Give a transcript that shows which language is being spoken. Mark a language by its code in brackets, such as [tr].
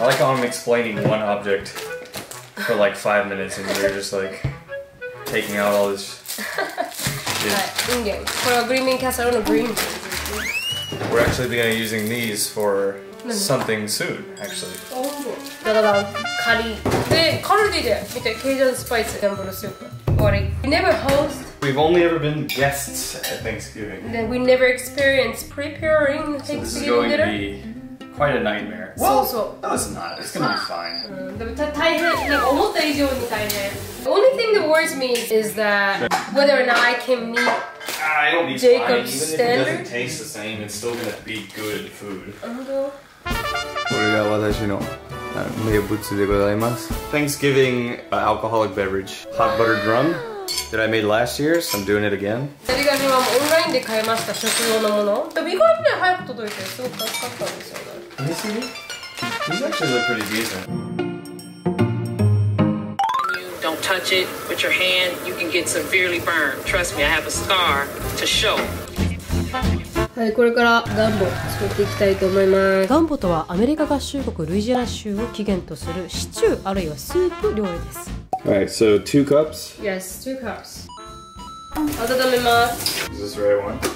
[en] I like how I'm explaining one object for like 5 minutes and you're just like taking out all this [ja] はい、インゲン。これはグリーンビーンキャサロールのグリーンビーン。 [en] We're actually gonna be using these for something soon, actually. [ja] ダダダン、カリーで、カルディで見て、ケイジャンスパイス、ダンボルスープ。終わり。 [en] We never host. We've only ever been guests at Thanksgiving. Then we never experienced preparing Thanksgiving dinner. So this is going to be quite a nightmare. Well, so. No, it's not. It's gonna be fine. [ja] でも、大変、思った以上に大変。 [en] The only thing that worries me is that whether or not I can meet Jacob's standard. Even if it doesn't taste the same, it's still gonna be good food. [ja] これが私の名物でございます。 [en] Thanksgiving alcoholic beverage, hot butter drum that I made last year, so I'm doing it again. [ja] ザリガニはオンラインで買いました食用のもの。でも意外に早く届いてすごく助かったんですよね。 [en] This actually looks pretty decent. Touch it with your hand, you can get severely burned. Trust me, I have a scar to show. [ja] はい、これからガンボ作っていきたいと思います。ガンボとはアメリカ合衆国ルイジアナ州を起源とするシチューあるいはスープ料理です。 [en] Alright, so two cups? Yes, two cups. [ja] 温めます。 [en] Is this the right one?